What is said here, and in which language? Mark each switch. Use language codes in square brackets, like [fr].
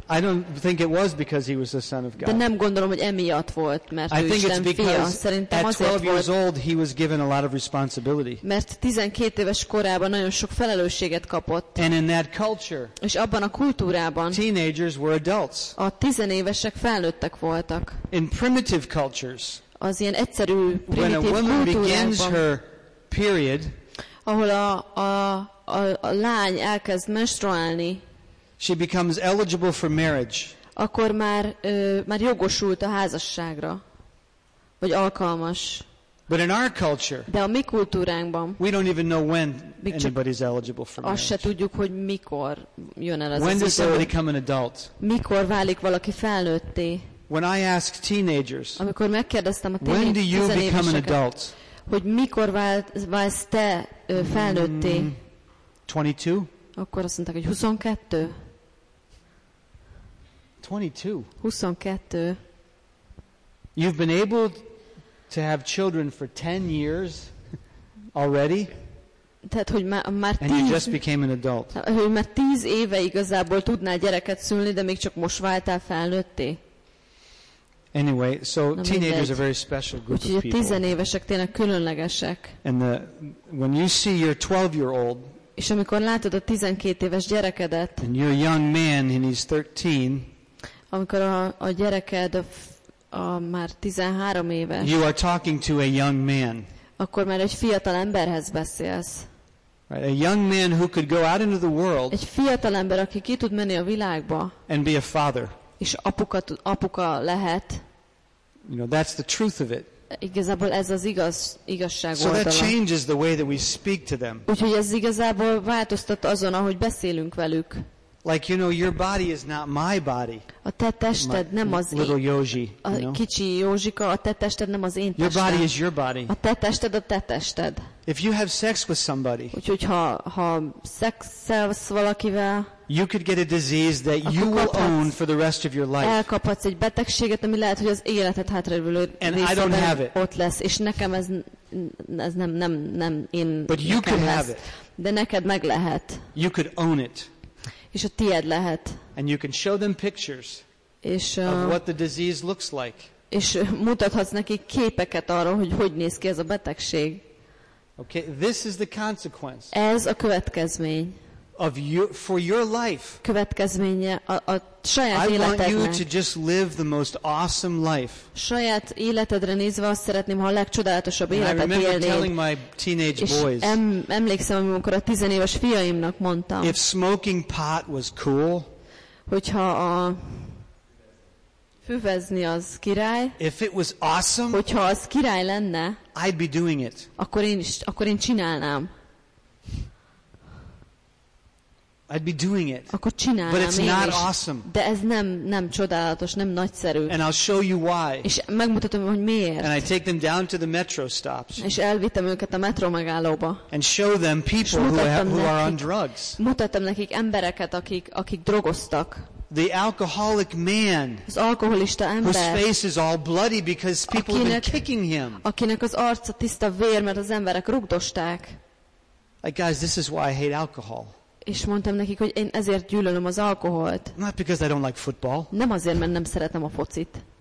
[en] I don't think it was because he was the son of God. [hu] De nem gondolom, hogy emiatt volt, mert [en] I think [hu] Isten [en] it's because [hu] fia. Szerintem [en] at 12 [hu] volt, [en] years old he was given a lot of responsibility. [hu] Mert 12 éves korában nagyon sok felelősséget kapott. [en] And in that culture, [hu] és abban a kultúrában, [en] teenagers were adults. [hu] A tizenévesek felnőttek voltak. [en] In primitive cultures, [hu] az ilyen egyszerű primitív [en] when a woman [hu] kultúrában, [en] begins her period, [hu] ahol a lány elkezd menstruálni. [en] She becomes eligible for marriage. [hu] Akkor már jogosult a házasságra. Vagy alkalmas. [en] But in our culture. [hu] De a mi kultúránkban. [en] We don't even know when anybody's eligible for marriage. [hu] Azt se tudjuk, hogy mikor jön el az [en] when [hu] az [en] does somebody become an adult? [hu] Mikor válik valaki felnőtté? [en] When I ask teenagers. [hu] Amikor megkérdeztem a tizenéveseket. [en] When do you become an adult? [hu] Hogy mikor válsz te felnőtté? [en] 22? [hu] Akkor azt mondták, hogy 22. 22. [en] You've been able to have children for 10 years already? [hu] Tehát, hogy már [en] and you just became an adult. [hu] Hogy már 10 éve igazából tudnál gyereket szülni, de még csak most váltál felnőtté. [en] Anyway, so teenagers are very special group of people. [hu] Úgyhogy a tizenévesek tényleg különlegesek. [en] And when you see your 12-year-old, [hu] és amikor látod a 12 éves gyerekedet, [en] and you're a young man and he's 13, [hu] amikor a gyereked a már 13 éves, [en] you are talking to a young man. [hu] Akkor már egy fiatal emberhez beszélsz. [en] Right, a young man who could go out into the world, [hu] egy fiatal ember, aki ki tud menni a világba, [en] and be a father. [hu] És apuka lehet. [en] You know, that's the truth of it. [hu] Igazából ez az igaz, igazság oldala. [en] So that changes the way that we speak to them. [hu] Úgyhogy ez igazából változtat azon, ahogy beszélünk velük. [en] Like, you know, your body is not my body. [hu] A te tested nem az [en] little Józsi. [hu] A kicsi Józsika, a te tested nem az én testem. [en] Your body is your body. [hu] A te tested a te tested. [en] If you have sex with somebody, [hu] úgyhogy ha szexelsz valakivel, [en] you could get a disease that you will own for the rest of your life. [hu] Elkaphatsz egy betegséget, ami lehet, hogy az életed hátrálévő része ott lesz, és nekem ez nem én. [en] But you can have it. [hu] De neked meg lehet. [en] You could own it. [hu] És a tied lehet. [en] And you can show them pictures of what the disease looks like. [hu] És mutathatsz neki képeket arról, hogy néz ki ez a betegség. [en] Okay, this is the consequence. [hu] Ez a következmény. [en] Of you for your life. [hu] Következménye a saját életednek. [en] I want you to just live the most awesome life. [hu] Saját életedre nézve azt szeretném, ha a legcsodálatosabb életet élnéd. [en] I remember telling my teenage boys. [hu] Emlékszem, amikor a tizenéves fiaimnak mondtam. [en] If smoking pot was cool. [hu] Hogyha a füvezni az király. [en] If it was awesome. [hu] Hogyha az király lenne. [en] I'd be doing it. [hu] Akkor én csinálnám. [en] I'd be doing it. [hu] Akkor csinálnám. [en] But it's not awesome. [hu] De ez nem csodálatos, nem nagyszerű. [en] And I'll show you why. [hu] És megmutatom, hogy miért. [en] And I take them down to the metro stops. [hu] És elvittem őket a metro megállóba. [en] And show them people who are on drugs. [hu] Mutattam nekik embereket, akik drogoztak. [en] The alcoholic man. [hu] Az alkoholista ember. [en] Whose face is all bloody because people have been kicking him. [hu] Akinek az arca tiszta vér, mert az emberek rugdosták. [en] Like, guys, this is why I hate alcohol. [hu] És mondtam nekik, hogy én ezért gyűlölöm az alkoholt. [en] Not because I don't like football. [hu] Nem azért, mert nem szeretem a focit.